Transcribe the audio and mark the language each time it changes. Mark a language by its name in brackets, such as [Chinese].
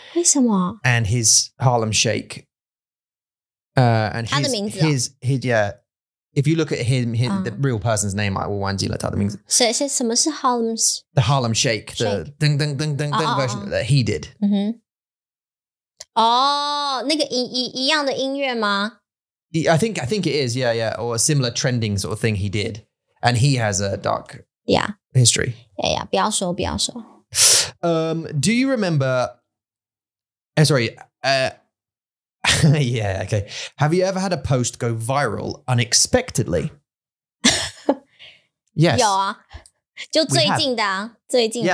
[Chinese] 为什么? [English] And his Harlem Shake. And his, [Chinese] 他的名字啊? [English] His, yeah. If you look at him, his, the real person's name, I will [Chinese] 忘记了他的名字. [English] So it says, [Chinese] 什么是 [English] Harlem Shake? The Harlem Shake, the ding, ding, ding, ding, ding version that he did. Mm-hmm. [Chinese] Oh, 那个一样的音乐吗? [English] I think it is, yeah, yeah. Or a similar trending sort of thing he did. And he has a dark history. [Chinese] Yeah, yeah, 不要说,不要说。 [English] Do you remember... yeah, okay. Have you ever had a post go viral unexpectedly? Yes. [Chinese] 有啊,就最近的啊,最近的。